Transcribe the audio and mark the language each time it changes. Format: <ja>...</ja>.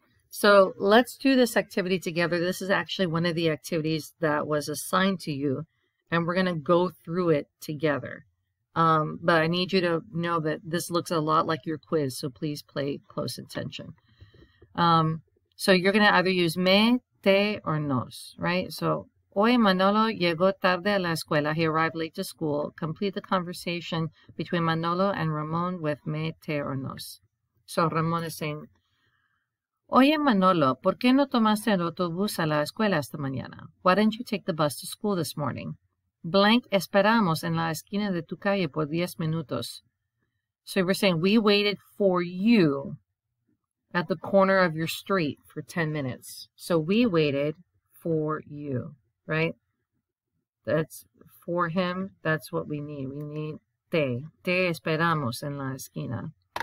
<en>So let's do this activity together. This is actually one of the activities that was assigned to you, and we're going to go through it together. But I need you to know that this looks a lot like your quiz, so please pay close attention. So you're going to either use me, te, or nos, right?</en> <es>So, hoy Manolo llegó tarde a la escuela.</es> <en>He arrived late to school. Complete the conversation between Manolo and Ramon with me, te, or nos. So Ramon is saying,</en> <es>oye Manolo, ¿por qué no tomaste el autobús a la escuela esta mañana?</es> <en>Why didn't you take the bus to school this morning?</en> <es>Blank, esperamos en la esquina de tu calle por 10 minutos.</es> <en>So we're saying we waited for you at the corner of your street for 10 minutes. So we waited for you, right? That's for him. That's what we need. We need</en> <es>te esperamos en la esquina.</es>